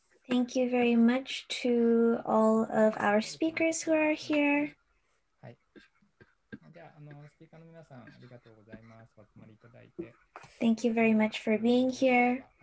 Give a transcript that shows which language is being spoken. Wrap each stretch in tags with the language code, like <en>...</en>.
<en>Thank you very much to all of our speakers who are here.</en> <ja>はい。じゃあ、スピーカーの皆さんありがとうございます。お集まりいただいて。</ja> <en>Thank you very much for being here.</en>